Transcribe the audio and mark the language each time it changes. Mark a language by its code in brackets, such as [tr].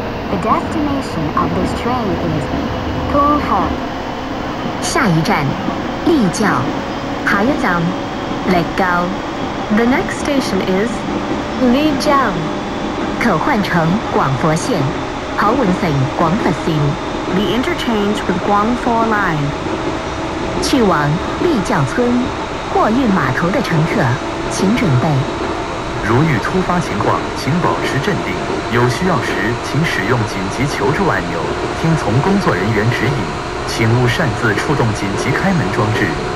[en] The destination of this train is 同和。 [zh] 下一站，立轿。下一站，立轿。 [en] The next station is [zh] 立轿。可换乘广佛线，可换乘广佛线。 [en] The interchange with Guangfo Line. [zh] 去往立教村货运码头的乘客请准备，如遇突发情况请保持镇定，有需要时请使用紧急求助按钮，听从工作人员指引，请勿擅自触动紧急开门装置。